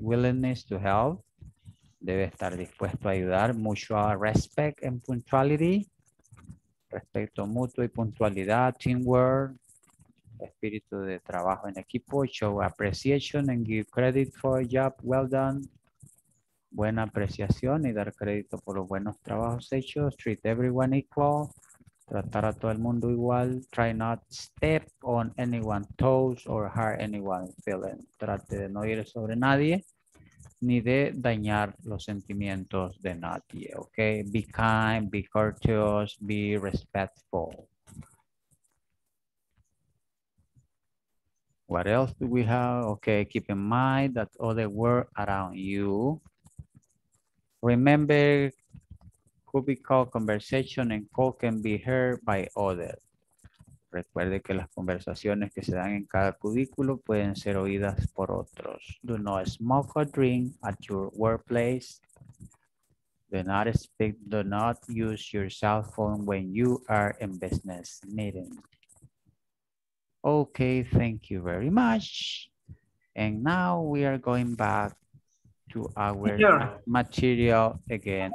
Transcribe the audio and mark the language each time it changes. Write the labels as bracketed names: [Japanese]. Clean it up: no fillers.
[English] Willingness to help. [Spanish] Debe estar dispuesto a ayudar. [English] Mutual respect and punctuality. [Spanish] Respeto mutuo y puntualidad. [English] Teamwork. [Spanish] Espíritu de trabajo en equipo. [English] Show appreciation and give credit for a job well done. [Spanish] Buena apreciación y dar crédito por los buenos trabajos hechos. [English] Treat everyone equal. [Spanish] Tratar a todo el mundo igual. [English] Try not step on anyone's toes or hurt anyone's feelings. [Spanish] Trate de no ir sobre nadie ni de dañar los sentimientos de nadie. [English] Okay? Be kind, be courteous, be respectful. What else do we have? Okay, keep in mind that other world around you. Remember, cubical conversation and call can be heard by others. [Spanish] Recuerde que las conversaciones que se dan en cada cubículo pueden ser oídas por otros. [English] Do not smoke or drink at your workplace. Do not speak, do not use your cell phone when you are in business meeting. Okay, thank you very much. And now we are going back to our material again.